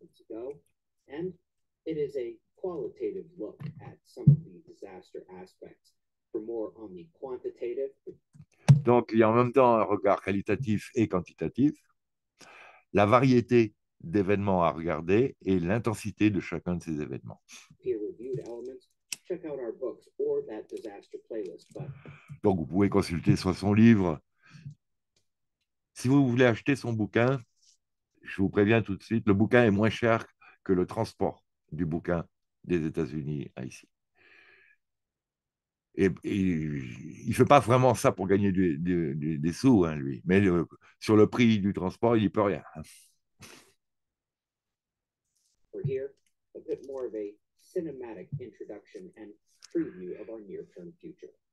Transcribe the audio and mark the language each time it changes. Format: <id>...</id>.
<en>Go, and it is a qualitative look at some of the disaster aspects. For more on the quantitative,</en> <fr>Donc, il y a en même temps un regard qualitatif et quantitatif, la variété d'événements à regarder et l'intensité de chacun de ces événements.</fr> <en>Peer-reviewed elements, check out our books or that disaster playlist. But...</en> <fr>Donc, vous pouvez consulter soit son livre. Si vous voulez acheter son bouquin, je vous préviens tout de suite, le bouquin est moins cher que le transport du bouquin des États-Unis à ici. Et il ne fait pas vraiment ça pour gagner des sous, hein, lui. Mais sur le prix du transport, il n'y peut rien.</fr> <en>here a bit more of a cinematic introduction and preview of our near-term future.</en>